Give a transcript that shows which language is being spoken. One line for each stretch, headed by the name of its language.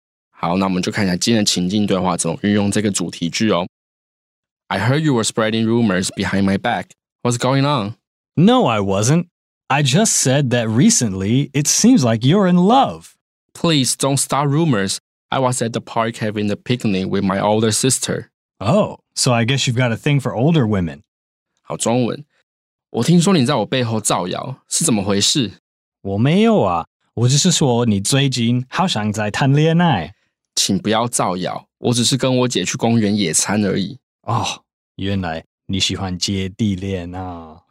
Chinese: 好那我们就看一下今天的情境对话怎么运用这个主题句哦。
English: I heard you were spreading rumors behind my back. What's going on? No, I wasn't. I just said that recently, it seems like you're in love. Please don't start rumors. I was at the park having a picnic with my older sister. Oh, so I guess you've got a thing for older women.
Chinese: 好中文。我听说你在我背后造谣，是怎么回事？我没有啊，我只是说你最近好像在谈恋爱。请不要造谣，我只是跟我姐去公园野餐而已。 Oh, 原来你喜欢姐弟恋啊。